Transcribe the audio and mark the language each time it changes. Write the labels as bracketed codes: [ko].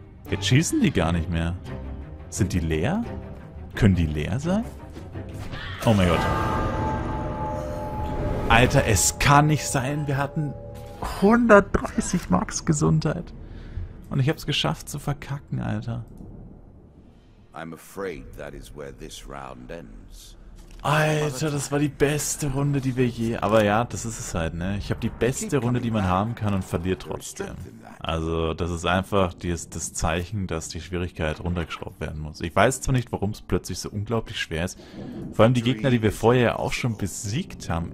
[de] Jetzt schießen die gar nicht mehr. Sind die leer? Können die leer sein? Oh mein Gott. Alter, es kann nicht sein. Wir hatten 130 Max Gesundheit. Und ich hab's geschafft zu verkacken, Alter. [en] I'm afraid that is where this round ends. [de] Alter, das war die beste Runde, die wir je... Aber ja, das ist es halt, ne? Ich habe die beste Runde, die man haben kann und verliere trotzdem. Also, das ist einfach das Zeichen, dass die Schwierigkeit runtergeschraubt werden muss. Ich weiß zwar nicht, warum es plötzlich so unglaublich schwer ist. Vor allem die Gegner, die wir vorher ja auch schon besiegt haben.